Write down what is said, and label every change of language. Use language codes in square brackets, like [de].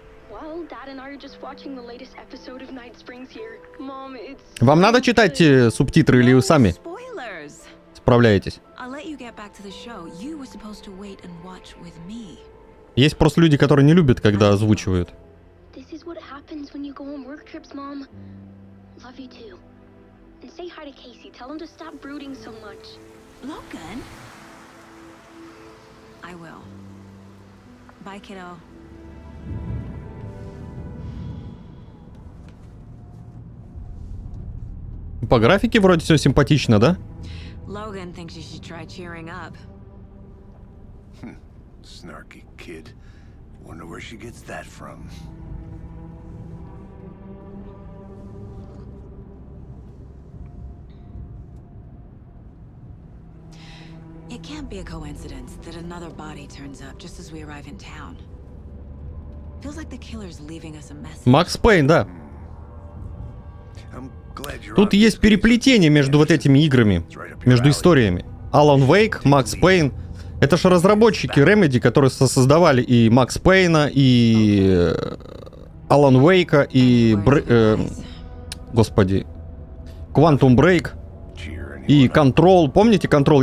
[en] Well, Dad and I are just watching the latest episode of Night Springs here. Mom, it's... [ru] Вам надо читать субтитры или вы сами справляетесь? [en] I'll let you get back to the show. You were supposed to wait and watch with me. [ru] Есть просто люди, которые не любят, когда озвучивают. [en] This is what happens when you go on work trips, Mom. Love you too. And say hi to Casey. Tell him to stop brooding so much. Logan? I will. Bye, kiddo. [ru] По графике вроде все симпатично, да? [en] Logan thinks you should try cheering up. Snarky kid. Wonder where she gets that from. It can't be a coincidence that another body turns up just as we arrive in town. Feels like the killer's leaving us a message. [ru] Макс Пейн, да. Тут есть переплетение между вот этими играми, между историями. Alan Wake, Max Payne. Это же разработчики Remedy, которые создавали и Max Payne, и Alan Wake, и Quantum Break, и Control. Помните Control?